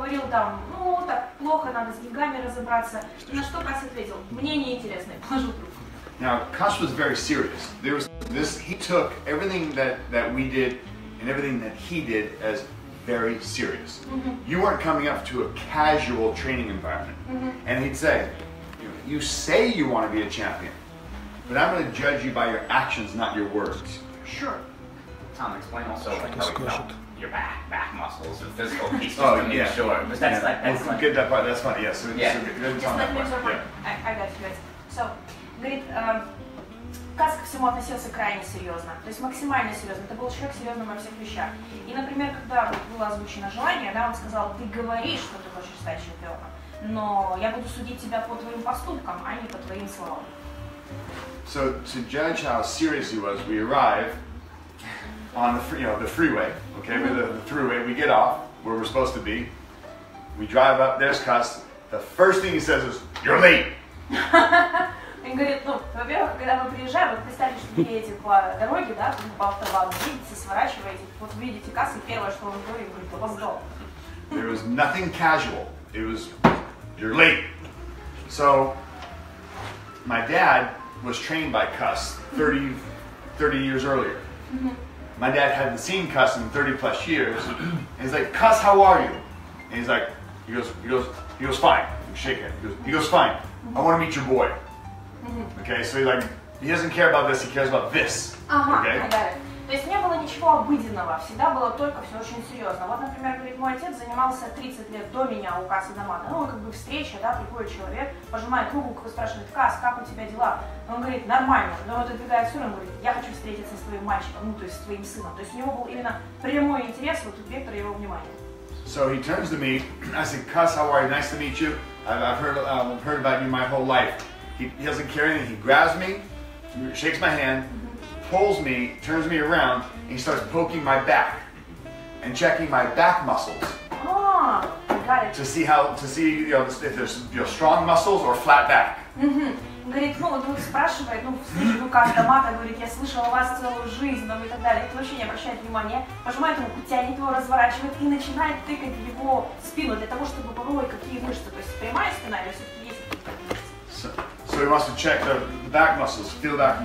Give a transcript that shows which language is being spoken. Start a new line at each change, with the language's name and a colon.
Russian: там, ну, так плохо, надо с деньгами разобраться. На что Кас ответил? Мне неинтересно, положу трубку.
English: Now, Kas was very serious. There was this, he took everything that we did and everything that he did as very serious. Mm-hmm. You weren't coming up to a casual training environment. Mm-hmm. And he'd say, you say you want to be a champion, but I'm going to judge you by your actions, not your words. Sure. Tom, explain also how you felt your back muscles and physical pieces. Oh, yeah. Sure. That's good, that part. That's funny. Yes. Yeah. Just let me know. I got you guys.
Russian: So, говорит, Кас ко всему относился крайне серьезно, то есть максимально серьезно, это был человек серьезным во всех вещах. И, например, когда было озвучено желание, да, он сказал, ты говоришь, что ты хочешь стать чемпионом, но я буду судить тебя по твоим поступкам, а не по твоим словам.
English: So, to judge how serious he was, we arrive on the freeway, okay, mm-hmm. the throughway, we get off, where we're supposed to be, we drive up, there's Кас, the first thing he says is, you're late! И говорит, ну, во-первых, когда мы приезжаем, вот представьте, что вы едете по дороге, да, по автобану, видите, сворачиваете, вот видите Кас, и первое, что он говорит, опоздал. There was nothing casual. It was, you're late. So, my dad was trained by Кас 30 years earlier. My dad hadn't seen Кас in 30 plus years. And he's like, Кас, how are you? And he's like, he goes, fine. I'm shaking. He goes, fine. I want to meet your boy. Okay, so he like, he doesn't care about this, he cares about this.
Russian: То есть не было ничего обыденного, всегда было только все очень серьезно. Вот, например, говорит, мой отец занимался 30 лет до меня у Каса дома. Ну, как бы встреча, да, приходит человек, пожимает руку, спрашивает, Кас, как у тебя дела? Он говорит, нормально. Но вот отбегает сюда, он говорит, я хочу встретиться с твоим мальчиком, ну, то есть с твоим сыном. То есть у него был именно прямой интерес, вот вектор его внимания.
English: So he turns to me, I said, Кас, how are you? Nice to meet you. I've heard about you my whole life. He doesn't care anything. He grabs me, shakes my hand, pulls me, turns me around, and he starts poking my back and checking my back muscles. Oh, got it. To see you know, if there's strong muscles or flat back. Mm-hmm.
Russian: Говорит, ну, вдруг спрашивает, ну, слышит, ну, Кас Дамата, говорит, я слышал о вас целую жизнь, ну, и так далее. Это вообще не обращает внимания. Пожимает руку, тянет его, разворачивает и начинает тыкать его спину для того, чтобы попробовать, какие мышцы. То есть прямая спина или все-таки есть какие-то мышцы.
English: So he wants to check the back muscles, feel back.